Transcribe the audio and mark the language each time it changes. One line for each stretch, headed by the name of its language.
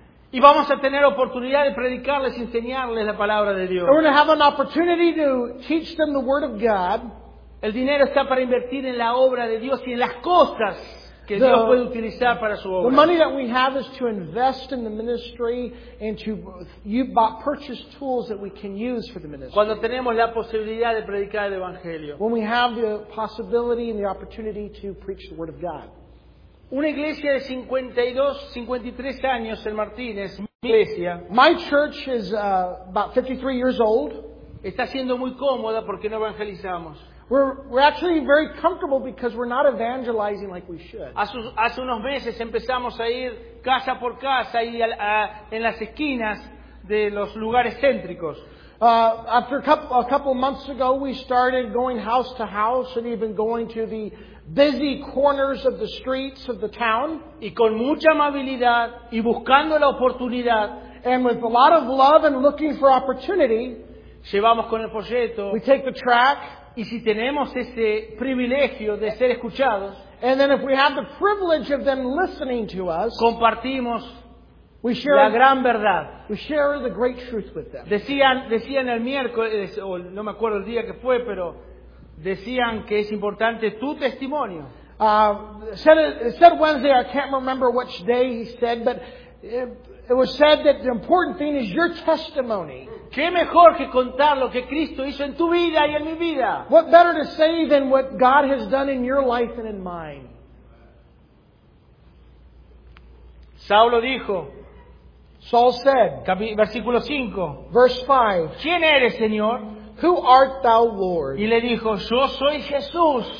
Spanish: Y vamos a tener oportunidad de predicarles, enseñarles la palabra de Dios.
English: We're going to have an opportunity to teach them the word of God.
Spanish: El dinero está para invertir en la obra de Dios y en las cosas que Dios puede utilizar para su obra.
English: The money that we have is to invest in the ministry and to purchase tools that we can use for the ministry.
Spanish: Cuando tenemos la posibilidad de predicar el evangelio.
English: When we have the possibility and the opportunity to preach the word of God.
Spanish: Una iglesia de 53 años, el Martínez, mi iglesia.
English: My church is about 53 years old.
Spanish: Está siendo muy cómoda porque no evangelizamos.
English: We're actually very comfortable because we're not evangelizing like we should.
Spanish: Hace unos meses empezamos a ir casa por casa y en las esquinas de los lugares céntricos.
English: After a couple months ago, we started going house to house and even going to the busy corners of the streets of the town.
Spanish: Y con mucha amabilidad y buscando la oportunidad.
English: And with a lot of love and looking for opportunity,
Spanish: llevamos con el folleto.
English: We take the track.
Spanish: Y si tenemos ese privilegio de ser escuchados,
English: and then if we have the privilege of them listening to us,
Spanish: compartimos.
English: We share
Spanish: la gran verdad.
English: We share the great truth with them.
Spanish: Decían el miércoles, o no me acuerdo el día que fue, pero decían que es importante tu testimonio.
English: Said Wednesday, I can't remember which day he said, but It was said that the important thing is your testimony.
Spanish: ¿Qué mejor que contar lo que Cristo hizo en tu vida y en mi vida?
English: What better to say than what God has done in your life and in mine?
Spanish: Saulo dijo.
English: Saul said.
Spanish: Versículo 5.
English: Verse 5.
Spanish: ¿Quién eres, Señor?
English: Who art thou, Lord?
Spanish: Y le dijo, yo soy Jesús.